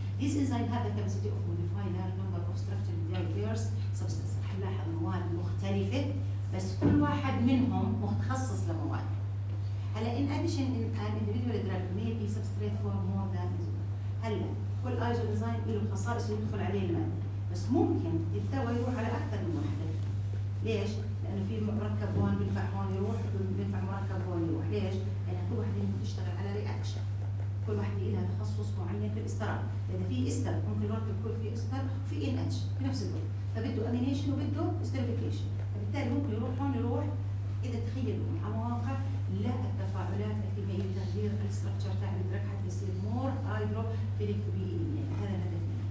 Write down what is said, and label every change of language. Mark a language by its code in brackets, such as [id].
[en] This enzyme has the capacity of modifying large number of structural diverse substances. [ar] رح نلاحظ مواد مختلفة بس كل واحد منهم متخصص لمواد. [en] هلا in addition in an individual drug may be substrate for more than one. [ar] هلا كل ايزو انزايم له خصائص يدخل عليه المادة بس ممكن الدواء يروح على اكثر من وحده. ليش؟ لانه في مركب هون بينفع هون يروح بينفع مركب هون يروح، ليش؟ لان كل وحده بتشتغل على رياكشن. كل وحده لها تخصص معين في الاستر، اذا في استر ممكن الوقت يكون في استر وفي ان اتش في نفس الوقت، فبده امينيشن وبده استريفيكيشن، فبالتالي ممكن يروح هون يروح اذا تخيلوا على مواقع لا التفاعلات الكيميائيه تغيير الاستركشر تاع الدرج حتى يصير مور هايدرو فيليك بي ان، يعني هذا الهدف.